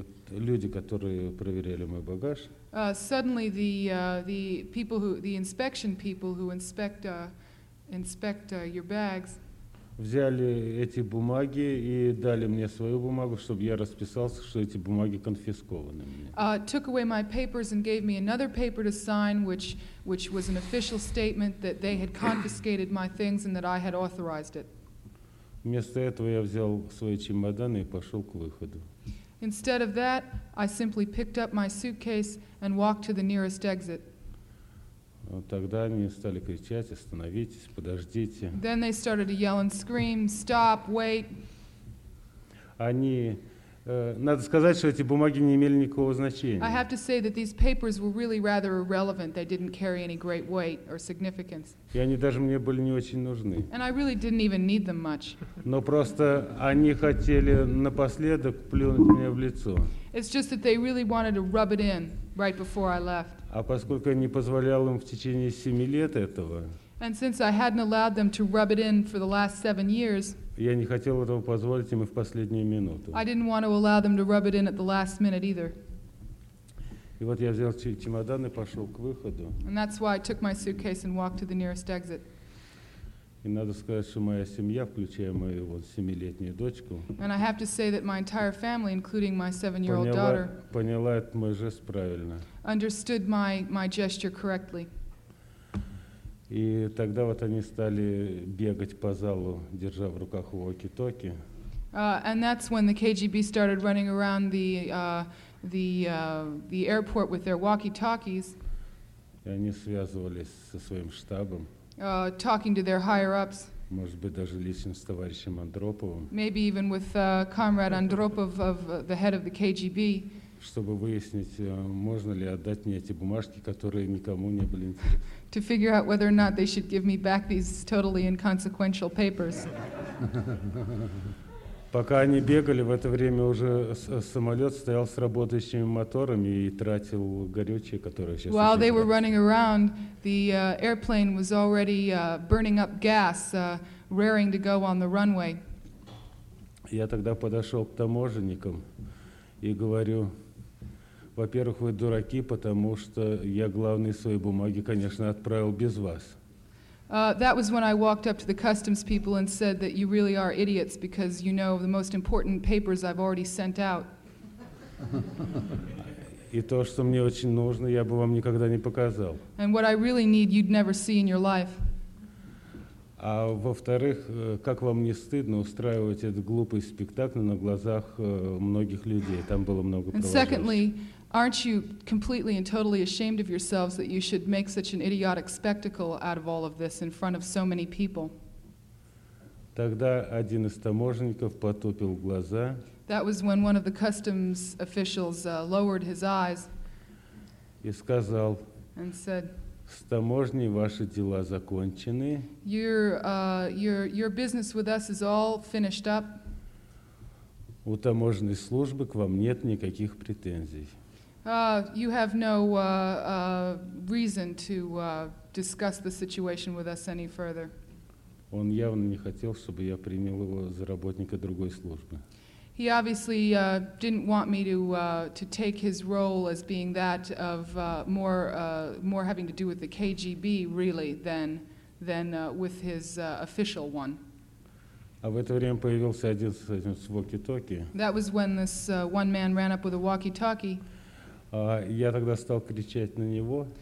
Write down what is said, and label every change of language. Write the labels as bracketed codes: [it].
[ru] Люди, которые проверяли мой багаж. [en] Suddenly the people who the inspection people who inspect inspect your bags. [ru] Взяли эти бумаги и дали мне свою бумагу, чтобы я расписался, что эти бумаги конфискованы мне. [en] Took away my papers and gave me another paper to sign, which was an official statement that they had confiscated my things and that I had authorized it. [ru] Вместо этого я взял свои чемоданы и пошел к выходу. [en] Instead of that, I simply picked up my suitcase and walked to the nearest exit. [ru] Тогда они стали кричать: «Остановитесь, подождите». [en] Then they started to yell and scream, "Stop, wait!" [ru] Они, надо сказать, что эти бумаги не имели никакого значения. [en] I have to say that these papers were really rather irrelevant. They didn't carry any great weight or significance. [ru] И они даже мне были не очень нужны. [en] And I really didn't even need them much. [ru] Но просто они хотели напоследок плюнуть мне в лицо. [en] It's just that they really wanted to rub it in right before I left. [ru] А поскольку я не позволял им в течение 7 лет этого. [en] And since I hadn't allowed them to rub it in for the last 7 years. [ru] Я не хотел этого позволить им в последнюю минуту. [en] I didn't want to allow them to rub it in at the last minute either. [ru] И вот я взял чемодан и пошел к выходу. [en] And that's why I took my suitcase and walked to the nearest exit. [ru] И надо сказать, что моя семья, включая мою вот 7-летнюю дочку, [en] and I have to say that my entire family, including my 7-year-old daughter, [ru] поняла этот мой жест правильно. [en] Understood my gesture correctly. [ru] И тогда вот они стали бегать по залу, держа в руках уоки-токи. [en] And that's when the KGB started running around the airport with their walkie-talkies. [ru] И они связывались со своим штабом. [en] Talking to their higher-ups. [ru] Может быть, даже лично с товарищем Андроповым. [en] Maybe even with Comrade Andropov, of the head of the KGB. [ru] чтобы выяснить, можно ли отдать мне эти бумажки, которые никому не были интересны. [en] To figure out whether or not they should give me back these totally inconsequential papers. [ru] Пока они бегали, в это время уже самолет стоял с работающими моторами и тратил горючее, которое сейчас... [en] While they were running around, the airplane was already burning up gas, raring to go on the runway. [ru] Я тогда подошел к таможенникам и говорю: во-первых, вы дураки, потому что я главные свои бумаги, конечно, отправил без вас. [en] That was when I walked up to the customs people and said that you really are idiots because you know the most important papers I've already sent out. [ru] И то, что мне очень нужно, я бы вам никогда не показал. [en] And what I really need, you'd never see in your life. [ru] А во-вторых, как вам не стыдно устраивать этот глупый спектакль на глазах многих людей? Там было много провожающих. [en] And secondly, aren't you completely and totally ashamed of yourselves that you should make such an idiotic spectacle out of all of this in front of so many people? [ru] Тогда один из таможенников потупил глаза. [en] That was when one of the customs officials lowered his eyes. [ru] И сказал. [en] And said. [ru] С таможней ваши дела закончены. [en] Your business with us is all finished up. [ru] У таможенной службы к вам нет никаких претензий. [en] You have no reason to discuss the situation with us any further. [ru] Он явно не хотел, чтобы я принял его за работника другой службы. [en] He obviously didn't want me to take his role as being that of more having to do with the KGB really than with his official one. [ru] А в это время появился один с этим с walkie-talkie. [en] That was when this one man ran up with a walkie-talkie. [ru] Я тогда стал кричать на него.